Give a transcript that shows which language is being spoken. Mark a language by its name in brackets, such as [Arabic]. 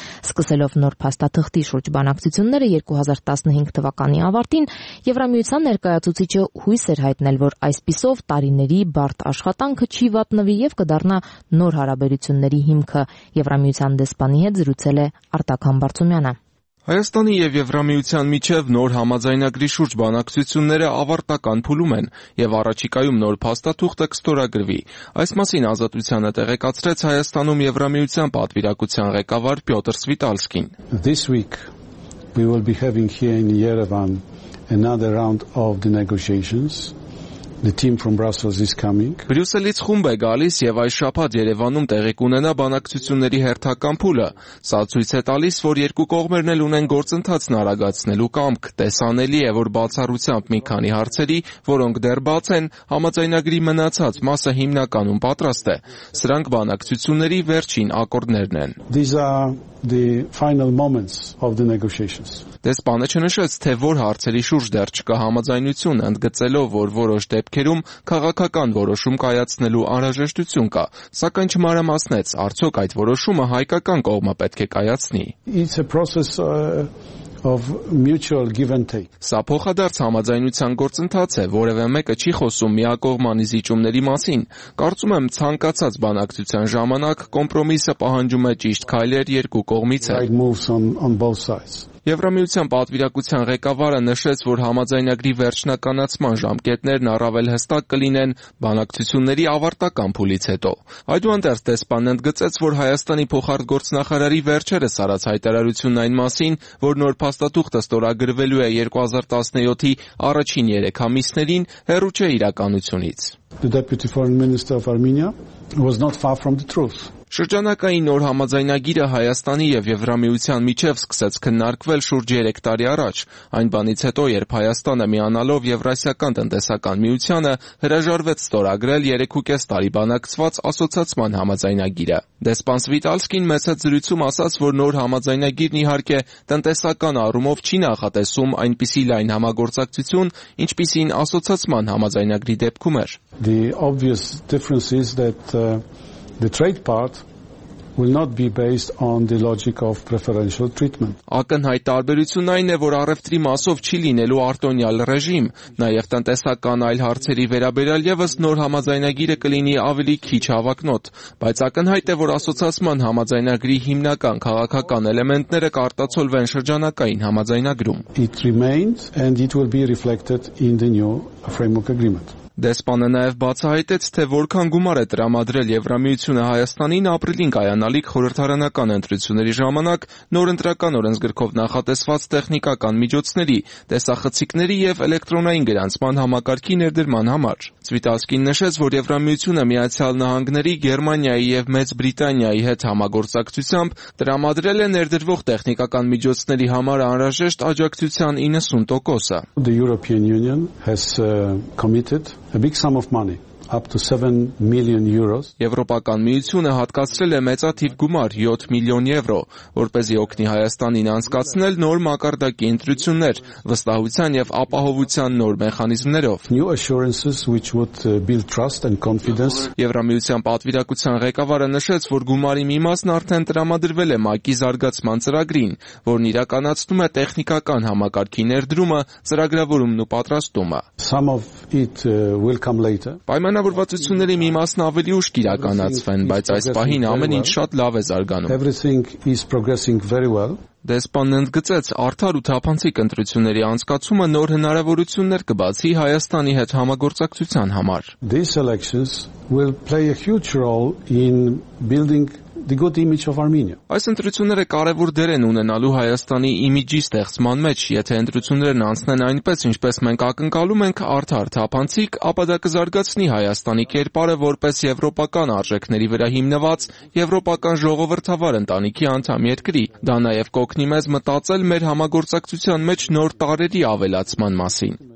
[Armenian] Սկսելով նոր փաստաթղթի շուրջ բանակցությունները 2015 թվականի ավարտին, Եվրամիության ներկայացուցիչը հույս էր հայտնել, որ այսպիսով տարիների բարդ աշխատանքը չի վատնվի և կդառնա նոր հարաբերությունների հիմքը։ Եվրամիության դեսպանի հետ զրուցել է Արտակ Համբարձումյանը։ Հայաստանի և Եվրամիության միջև նոր համաձայնագրի շուրջ բանակցությունները ավարտական փուլում են և առաջիկայում նոր փաստաթուղթը կստորագրվի։ Այս մասին ազատությանը տեղեկացրեց Հայաստանում Եվրամիության պատվիրակության ղեկավար Պյոտր Սվիտալսկին։ [English] This week we will be having here in Yerevan another round of the negotiations. The team from Brussels is coming. [Armenian] Բրյուսելից խումբ է գալիս եւ այս շաբաթ Երևանում տեղի կունենա բանակցությունների հերթական փուլը։ Սա ցույց է տալիս, որ երկու կողմերն էլ ունեն գործընթաց նարագացնելու կամք։ Տեսանելի է, որ բացառությամբ մի քանի հարցերի, որոնք դեռ բաց են, համաձայնագրի մնացած մասը հիմնականում պատրաստ է։ Սրանք բանակցությունների վերջին ակորդներն են։ [English] These are the final moments of the negotiations. [Armenian] Դեսպանը չնշեց, թե որ հարցերի շուրջ դեռ չկա համաձայնություն, ընդգծելով, որ որոշ դեպքերում քաղաքական որոշում կայացնելու անհրաժեշտություն կա, սակայն չմարամասնեց, արդյոք այդ որոշումը հայկական կողմը պետք է կայացնի։ [English] It's a process of mutual give and take. [Armenian] Սա փոխադարձ համաձայնության գործընթաց է, որևէ մեկը չի խոսում միակողմանի զիջումների մասին։ Կարծում եմ, ցանկացած բանակցության ժամանակ կոմպրոմիսը պահանջում է ճիշտ քայլեր երկու կողմից։ Եվրամիության պատվիրակության ղեկավարը նշեց, որ համաձայնագրի վերջնականացման ժամկետներն առավել հստակ կլինեն բանակցությունների ավարտական փուլից հետո։ Այդուհանդերձ դեսպանն ընդգծեց, որ Հայաստանի փոխարտ գործնախարարի վերջերս արած հայտարարությունն այն մասին, որ նոր փաստաթուղթը ստորագրվելու է 2017-ի առաջին 3 ամիսներին, հեռու չէ իրականությունից։ [English] The Deputy Foreign Minister of Armenia was not far from the truth. [Armenian] Շրջանակային նոր համաձայնագիրը Հայաստանի եւ Եվրամիության միջև սկսեց քննարկվել շուրջ 3 տարի առաջ, այն բանից հետո, երբ Հայաստանը միանալով Եվրասիական տնտեսական միությանը հրաժարվեց ստորագրել 3.5 տարի բանակցված ասոցացման համաձայնագիրը։ Դեսպան Սվիտալսկին մեծած զրույցում ասաց, որ նոր համաձայնագիրն իհարկե տնտեսական առումով չի նախատեսում այնպիսի լայն համագործակցություն, ինչպիսին ասոցացման համաձայնագրի դեպքում էր։ [English] The obvious difference is that the trade part will not be based on the logic of preferential treatment. [Armenian] Ակնհայ տարբերությունն այն է, որ առևտրի մասով չի լինելու արտոնյալ ռեժիմ, նաև տնտեսական այլ հարցերի վերաբերյալ եւս նոր համաձայնագիրը կլինի ավելի քիչ հավակնոտ, բայց ակնհայտ է, որ ասոցիացիան համաձայնագրի հիմնական քաղաքական էլեմենտները կարտացոլվեն շրջանակային համաձայնագրում. [English] It remains and it will be reflected in the new framework agreement. [Armenian] Դեսպանը նաև բացահայտեց, թե որքան գումար է տրամադրել Եվրամիությունը Հայաստանին ապրիլին կայանալիք խորհրդարանական ընտրությունների ժամանակ նոր ընտրական օրենսգրքով նախատեսված տեխնիկական միջոցների, տեսախցիկների եւ էլեկտրոնային գրանցման համակարգի ներդրման համար։ Սվիտալսկին նշեց, որ Եվրամիությունը Միացյալ Նահանգների, Գերմանիայի եւ Մեծ Բրիտանիայի հետ համագործակցությամբ տրամադրել է ներդրվող տեխնիկական միջոցների համար անհրաժեշտ աջակցության 90%-ը։ [English] The European Union has committed a big sum of money, up to 7 million euros. [Armenian] Եվրոպական միությունը հատկացրել է մեծաթիվ գումար 7 միլիոն եվրո, որպեսզի օգնի Հայաստանին անցկացնել նոր մակարդակի ընտրություններ վստահության եւ ապահովության նոր մեխանիզմներով. [English] New assurances which would build trust and confidence. [Armenian] Եվրամիության պատվիրակության ղեկավարը նշեց, որ գումարի մի մասն արդեն տրամադրվել է ՄԱԿ-ի զարգացման ծրագրին, որն իրականացնում է տեխնիկական համակարգի ներդրումը, ծրագրավորումն ու պատրաստումը. [English] Some of it will come later. [Armenian] Պայմանավորվածությունների մի մասն ավելի ուշ կիրականացվեն, բայց այս պահին ամեն ինչ շատ լավ է զարգանում։ [English] Everything is progressing very well. [Armenian] Դեսպանն ընդգծեց, արդար ու թափանցիկ ընտրությունների անցկացումը նոր հնարավորություններ կբացի Հայաստանի հետ համագործակցության համար։ [English] These elections will play a huge role in building the good image of Armenia. [Armenian] Այս ընտրությունները կարևոր դեր են ունենալու Հայաստանի իմիջի ստեղծման մեջ, եթե ընտրություններն անցնեն այնպես, ինչպես մենք ակնկալում ենք, արդար թափանցիկ, ապա դա կզարգացնի Հայաստանի կերպարը որպես եվրոպական արժեքների վրա հիմնված եվրոպական ժողովրդավար ընտանիքի անդամ երկրի։ Դա նաև կօգնի մեզ մտածել մեր համագործակցության մեջ նոր տարերի ավելացման մասին.